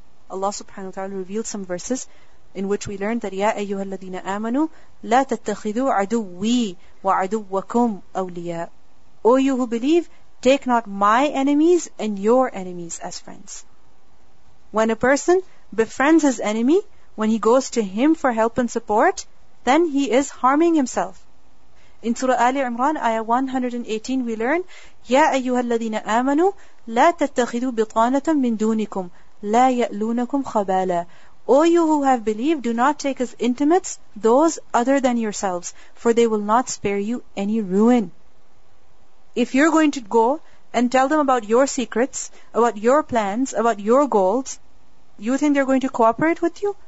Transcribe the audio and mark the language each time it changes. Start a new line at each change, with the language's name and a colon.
English: Allah subhanahu wa ta'ala revealed some verses in which we learned that,
Arabic: يَا أَيُّهَا الَّذِينَ آمَنُوا لَا تَتَّخِذُوا عَدُوِّي وَعَدُوَّكُمْ أَوْلِيَاءُ.
English: O you who believe, take not my enemies and your enemies as friends. When a person befriends his enemy, when he goes to him for help and support, then he is harming himself. In Surah Ali Imran, Ayah 118, we learn,
Arabic: يَا أَيُّهَا الَّذِينَ آمَنُوا لَا تَتَّخِذُوا بِطَانَةً مِّن دُونِكُمْ لَا يَأْلُونَكُمْ خَبَالًا.
English: O you who have believed, do not take as intimates those other than yourselves, for they will not spare you any ruin. If you're going to go and tell them about your secrets, about your plans, about your goals, you think they're going to cooperate with you?